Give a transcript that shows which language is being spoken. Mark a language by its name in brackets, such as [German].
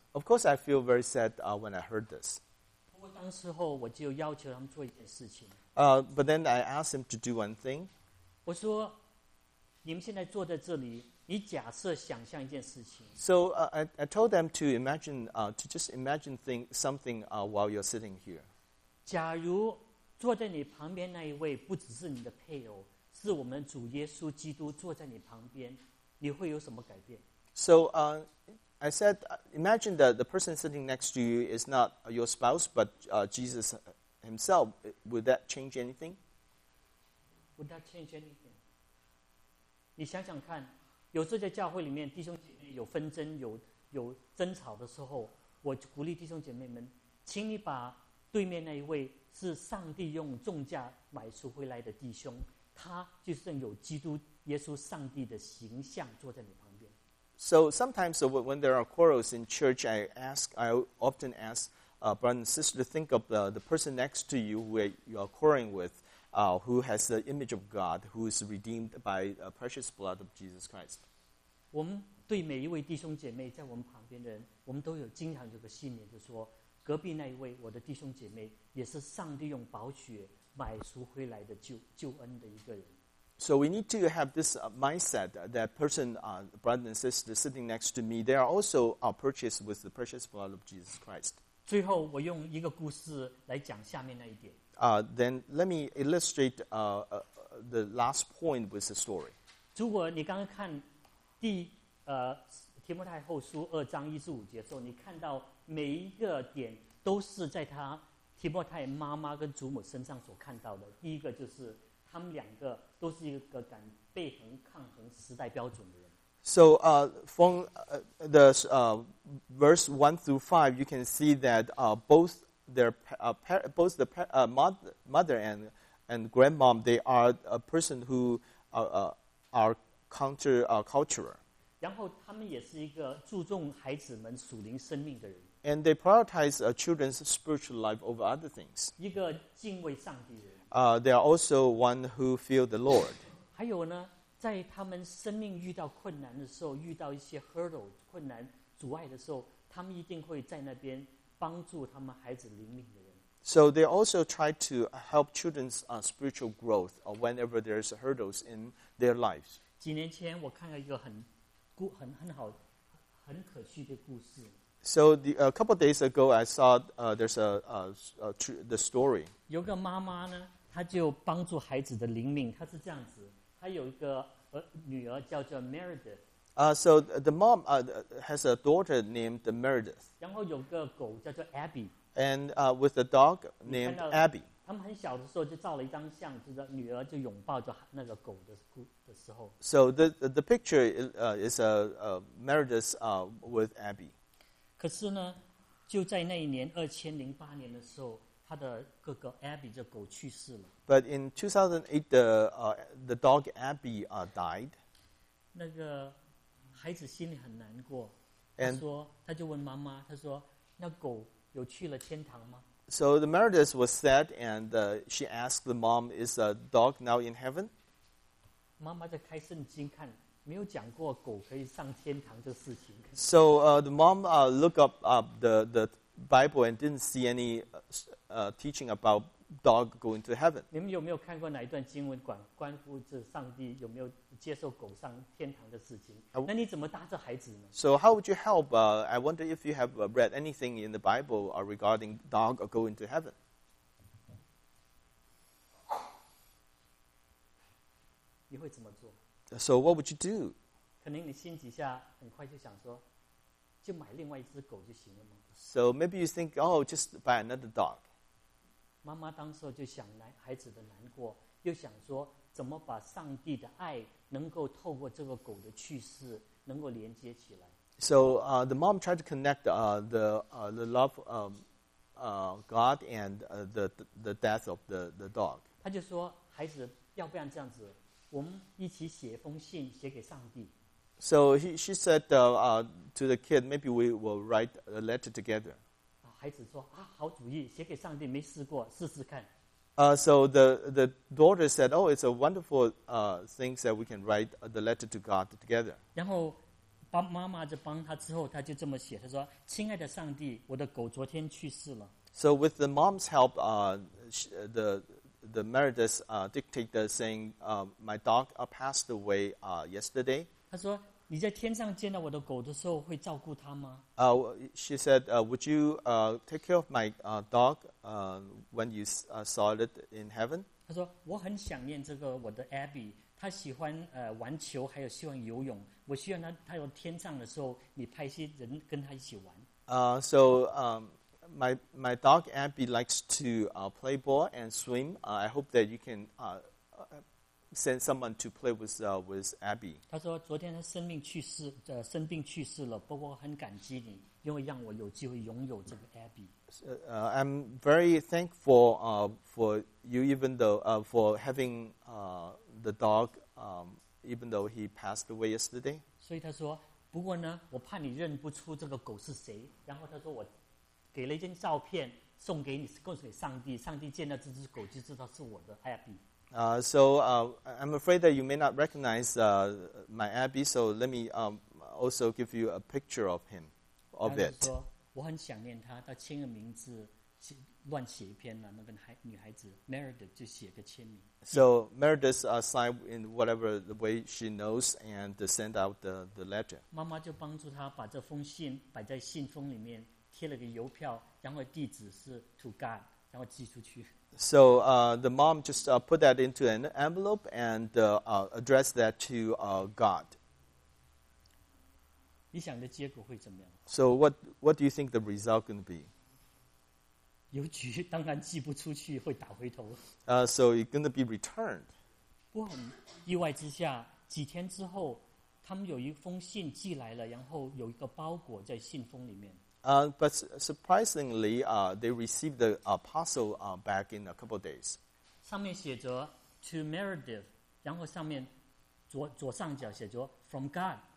[English] Of course, I feel very sad when I heard this. [Chinese] 当时候我就要求他们做一件事情。 [English] But then I asked him to do one thing. [Chinese] 我说，你们现在坐在这里，你假设想象一件事情。 [English] So I told them to imagine, to just imagine something while you're sitting here. [Chinese] 假如坐在你旁边那一位不只是你的配偶，是我们主耶稣基督坐在你旁边，你会有什么改变 [English] ？So I said, imagine that the person sitting next to you is not your spouse, but Jesus himself. Would that change anything? Would that change anything? [Chinese] 你想想看，有时候在教会里面弟兄姐妹有纷争、有争吵的时候，我鼓励弟兄姐妹们，请你把对面那一位是上帝用重价买赎回来的弟兄，他就是有基督耶稣上帝的形象坐在你旁边。 [English] So sometimes when there are quarrels in church, I often ask brother and sister to think of the person next to you who you are quarreling with, who has the image of God, who is redeemed by the precious blood of Jesus Christ. [Chinese] 我们对每一位弟兄姐妹在我们旁边的人，我们都有经常有个信念，就说隔壁那一位我的弟兄姐妹也是上帝用宝血买赎回来的救恩的一个人。 [English] So we need to have this mindset, that person, brother and sister sitting next to me, they are also purchased with the precious blood of Jesus Christ. [Chinese] 最后我用一个故事来讲下面那一点。 [English] Then let me illustrate the last point with the story. [Chinese] 如果你刚刚看第提摩太后书二章一至五节的时候，你看到每一个点都是在他提摩太妈妈跟祖母身上所看到的。第一个就是他们两个都是一个敢背衡抗衡时代标准的人。 [English] So from the verse 1-5, you can see that both the mother and grandmom, they are a person who are counter-cultural. [Chinese] 然后他们也是一个注重孩子们属灵生命的人。 [English] And they prioritize children's spiritual life over other things. [Chinese] 一个敬畏上帝的人。 [English] They are also one who fear the Lord. [Chinese] 还有呢，在他们生命遇到困难的时候，遇到一些 hurdle 困难阻碍的时候，他们一定会在那边帮助他们孩子灵命的人。 [English] So they also try to help children's spiritual growth whenever there's hurdles in their lives. [Chinese] 几年前我看了一个很可惜的故事。 [English] So a couple of days ago, I saw there's the story. [Chinese] 有个妈妈呢，她就帮助孩子的灵命。她是这样子，她有一个女儿叫 Meredith. [English] So the mom has a daughter named Meredith. [Chinese] 然后有个狗叫 Abby. [English] And with a dog named Abby. [Chinese] 他们很小的时候就照了一张相，就是女儿就拥抱着那个狗的时候。 [English] So the picture is Meredith with Abby. [Chinese] 可是呢，就在那一年2008年的时候，他的哥哥 Abby 这狗去世了。 [English] But in 2008, the dog Abby died. [Chinese] 那个孩子心里很难过，他说，他就问妈妈，他说，那狗有去了天堂吗？ [English] So the Meredith was sad, and she asked the mom, "Is the dog now in heaven?" [Chinese] 妈妈在开圣经看，没有讲过狗可以上天堂这事情。 [English] So the mom looked up the Bible and didn't see any teaching about dog going to heaven. [Chinese] 你们有没有看过哪一段经文关乎这上帝有没有接受狗上天堂的事情？那你怎么搭这孩子呢？ [English] So how would you help? I wonder if you have read anything in the Bible regarding dog going to heaven. [Chinese] 你会怎么做？ [English] So what would you do? [Chinese] 可能你心底下很快就想说，就买另外一只狗就行了吗？ [English] So maybe you think, oh, just buy another dog. [Chinese] 妈妈当时就想孩子的难过，又想说怎么把上帝的爱能够透过这个狗的去世能够连接起来。 [English] So the mom tried to connect the love of God and the death of the dog. [Chinese] 她就说，孩子，要不然这样子，我们一起写封信写给上帝。 [English] So she said to the kid, maybe we will write a letter together. [Chinese] 孩子说，啊，好主意，写给上帝没试过，试试看。 [English] So the daughter said, oh, it's a wonderful thing that we can write the letter to God together. [Chinese] 然后帮妈妈就帮她之后，她就这么写，她说，亲爱的上帝，我的狗昨天去世了。 [English] So with the mom's help, the Meredith dictated saying, my dog passed away yesterday. [Chinese] 她说，你在天上见到我的狗的时候会照顾它吗？ [English] She said, would you take care of my dog when you saw it in heaven? [Chinese] 她说，我很想念这个我的 Abby, 她喜欢玩球还有喜欢游泳，我希望她有天上的时候你派一些人跟她一起玩。 [English] So my dog Abby likes to play ball and swim. I hope that you can sent someone to play with Abby. [Chinese] 他说昨天他生病去世，生病去世了。不过很感激你，因为让我有机会拥有这个 Abby. [English] I'm very thankful for you, even though for having the dog, even though he passed away yesterday. [Chinese] 所以他说，不过呢，我怕你认不出这个狗是谁。然后他说，我给了一张照片送给你，告诉给上帝，上帝见到这只狗就知道是我的 Abby. [English] I'm afraid that you may not recognize my Abby, so let me also give you a picture of him, of it. [Chinese] 说我很想念他，他签个名字，乱写一篇了。那个女孩子 Meredith 就写个签名。 [English] So Meredith signed in whatever the way she knows and send out the letter. [Chinese] 妈妈就帮助她把这封信摆在信封里面，贴了个邮票，然后地址是 [English] to God, [Chinese] 然后寄出去。 [English] So the mom just put that into an envelope and addressed that to God. [Chinese] 你想的结果会怎么样？ [English] So what do you think the result going to be? [Chinese] 邮局当然寄不出去，会打回头。 [English] So it's going to be returned. [Chinese] 不过意外之下，几天之后，他们有一封信寄来了，然后有一个包裹在信封里面。 [English] But surprisingly, they received the parcel back in a couple of days. [Chinese] 上面写着 [English] "To Meredith," [Chinese] 然后上面左上角写着 [English] "From God."